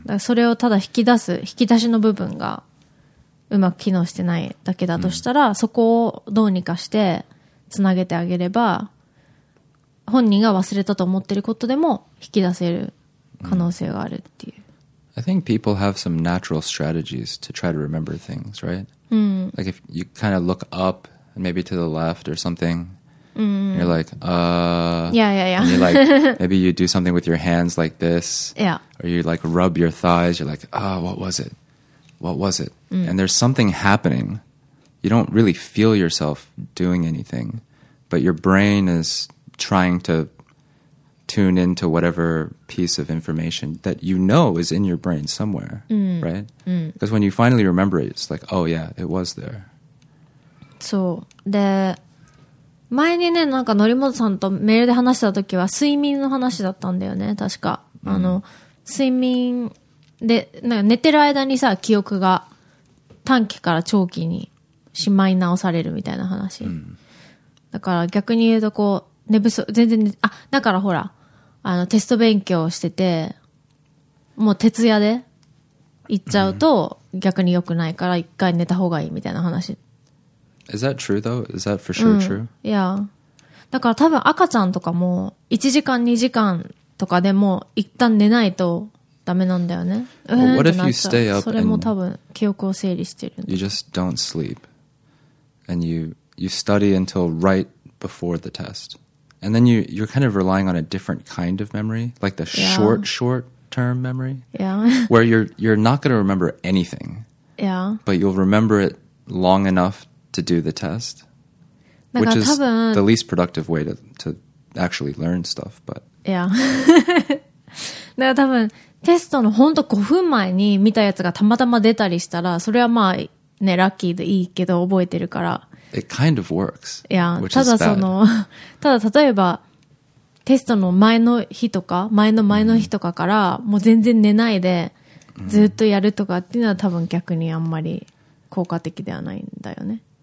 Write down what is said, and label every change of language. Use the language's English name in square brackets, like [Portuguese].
[Japanese] だからそれをただ引き出しの部分がうまく機能してないだけだとしたら、うん、そこをどうにかしてつなげてあげれば本人が忘れたと思ってることでも引き出せる可能性があるっていう、う [English] ん、I think people have some natural strategies to try to remember things, right?、うん、 like if you kind of look up maybe to the left or somethingYou're like, Yeah, yeah, yeah. And you're like, maybe you do something with your hands like this. Yeah. Or you like rub your thighs. You're like, what was it? What was it?、 Mm. And there's something happening. You don't really feel yourself doing anything. But your brain is trying to tune into whatever piece of information that you know is in your brain somewhere,、 mm. right? Because、 mm. when you finally remember it, it's like, oh, yeah, it was there. So, the... [Japanese] 前にね、なんか、則本さんとメールで話したときは、睡眠の話だったんだよね、確か。うん、睡眠で、なんか寝てる間にさ、記憶が短期から長期にしまい直されるみたいな話。うん、だから逆に言うと、こう、寝不足、全然、だからほら、テスト勉強してて、もう徹夜で行っちゃうと、逆に良くないから、一回寝た方がいいみたいな話。 [English] Is that true though? Is that for sure true? Yeah. [Japanese] だから多分赤ちゃんとかも1時間2時間とかでも一旦寝ないとダメなんだよね。 [English] Well, what if you stay up? [Japanese] それも多分記憶を整理してるん [English] だ。You just don't sleep. And you study until right before the test. And then you're kind of relying on a different kind of memory, like the short term memory. Yeah. Where you're not going to remember anything. Yeah. But you'll remember it long enoughenough to do the test, which is the least productive way to actually learn stuff. But [Japanese] yeah, だから多分テストの本当5分前に見たやつがたまたま出たりしたら、それはまあねラッキーでいいけど覚えてるから。 [English] It kind of works. Yeah, which is bad. [Japanese] ただ例えば。テストの前の日とか前の前の日とかからもう全然寝ないでずっとやるとかっていうのは多分逆にあんまり効果的ではないんだよね。